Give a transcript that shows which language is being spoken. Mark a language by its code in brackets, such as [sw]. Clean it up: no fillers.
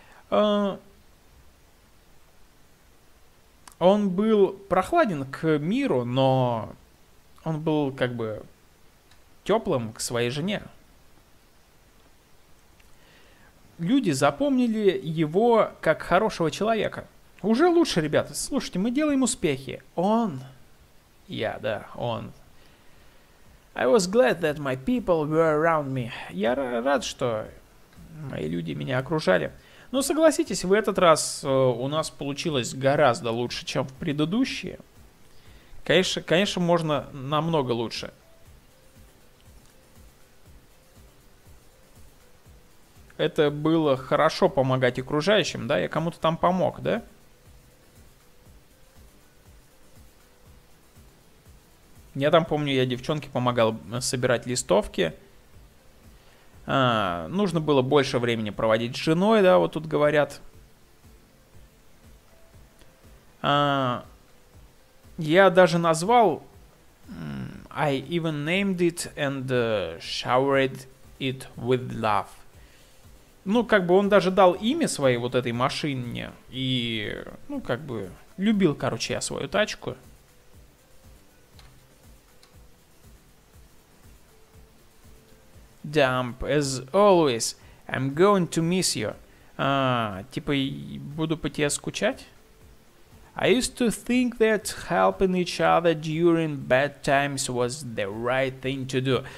[ru] Он был прохладен к миру, но... Он был как бы теплым к своей жене. Люди запомнили его как хорошего человека. Уже лучше, ребята. Слушайте, мы делаем успехи. Он. Я, да, он. [en] I was glad that my people were around me. [ru] Я рад, что мои люди меня окружали. Но согласитесь, в этот раз у нас получилось гораздо лучше, чем в предыдущие. Конечно, можно намного лучше. Это было хорошо помогать окружающим, да? Я кому-то там помог, да? Я там помню, я девчонке помогал собирать листовки. Нужно было больше времени проводить с женой, да, вот тут говорят. Я даже назвал... [en] I even named it and showered it with love. [ru] Ну, как бы он даже дал имя своей вот этой машине. И, ну, как бы, любил, короче, я свою тачку. [en] Dump, as always, I'm going to miss you. [ru] Типа, буду по тебе скучать? [en] I used to think that helping each other during bad times was the right thing to do.